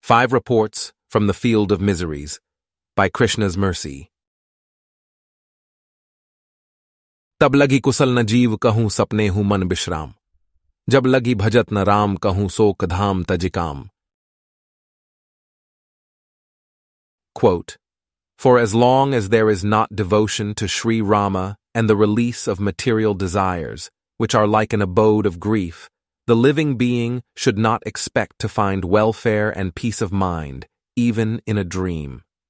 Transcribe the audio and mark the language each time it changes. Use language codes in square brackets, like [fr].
[en] Five Reports from the Field of Miseries by Krishna's Mercy. [awa] तब लगी कुशल न जीव कहूं सपने हूं मन विश्राम, जब लगी भजत न राम कहूं सोक धाम तजिकाम. [en] Quote, for as long as there is not devotion to Sri Rama and the release of material desires, which are like an abode of grief, the living being should not expect to find welfare and peace of mind, even in a dream.